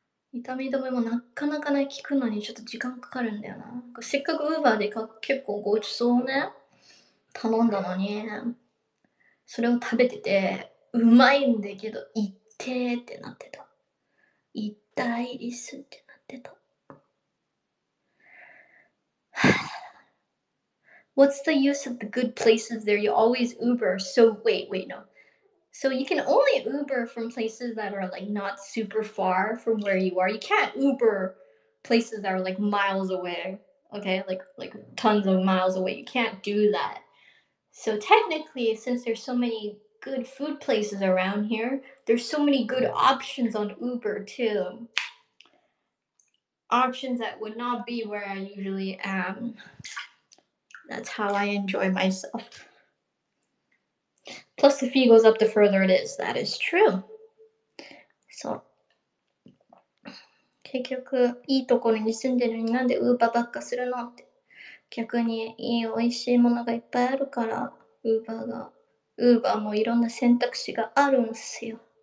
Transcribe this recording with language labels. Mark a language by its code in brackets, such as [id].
[ja] 痛み止めもなかなかね効くのにちょっと時間かかるんだよな。せっかくウーバーで結構ごちそうね頼んだのに、それを食べててうまいんだけど痛いってなってた。痛いですってなってた。 [en] What's the use of the good places there? You always Uber. So wait, no. So you can only Uber from places that are like not super far from where you are. You can't Uber places that are like miles away. Okay, like tons of miles away. You can't do that. So technically, since there's so many good food places around here, there's so many good options on Uber too. Options that would not be where I usually am. That's how I enjoy myself. Plus, the fee goes up the further it is. That is true. [ja] So, 結局いいところに住んでるのになんでウーバーばっかするのって。逆にいい美味しいものがいっぱいあるから、ウーバーもいろんな選択肢があるんすよ。